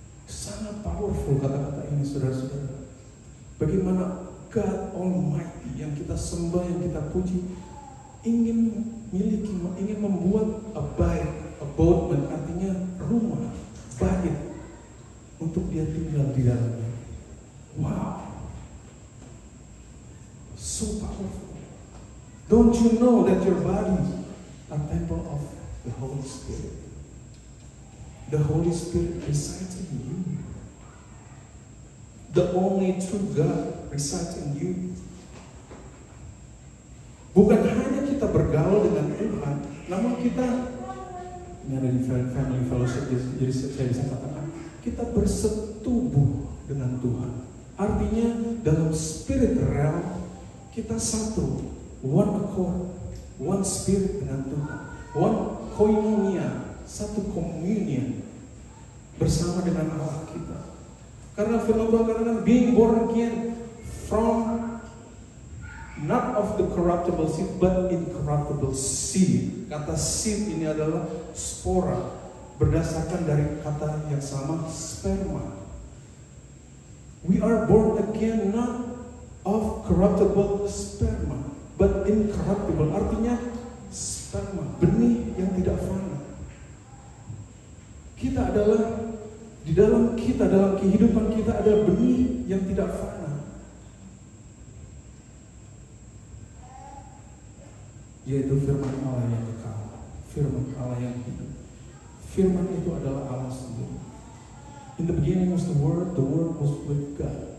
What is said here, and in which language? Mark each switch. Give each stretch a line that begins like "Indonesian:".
Indonesian: Sangat powerful kata-kata ini, saudara-saudara. Bagaimana
English: God Almighty
Indonesian: yang kita sembah, yang kita puji, ingin membuat abode, artinya rumah, bait untuk dia tinggal di dalamnya.
English: Wow, so powerful. Don't you know that your body a temple of the Holy Spirit? The Holy Spirit resides in you. The only true God resides in you.
Indonesian: Bukan hanya kita bergaul dengan Tuhan, namun kita, ini ada di
English: family fellowship,
Indonesian: jadi saya bisa katakan, kita bersetubuh dengan Tuhan. Artinya dalam
English: spirit realm,
Indonesian: kita satu,
English: one accord, one spirit
Indonesian: dengan Tuhan. One koinonia, satu communion bersama dengan Allah kita. Karena firman Tuhan katakan,
English: being born again from not of the corruptible seed, but incorruptible seed.
Indonesian: Kata seed ini adalah spora, berdasarkan dari kata yang sama, sperma.
English: We are born again not of corruptible sperma, but incorruptible.
Indonesian: Artinya sperma, benih tidak fana. Kita adalah di dalam kita, dalam kehidupan kita ada benih yang tidak fana. Yaitu firman Allah yang kekal, firman Allah yang hidup. Firman itu adalah Allah sendiri.
English: In the beginning was the word was with God.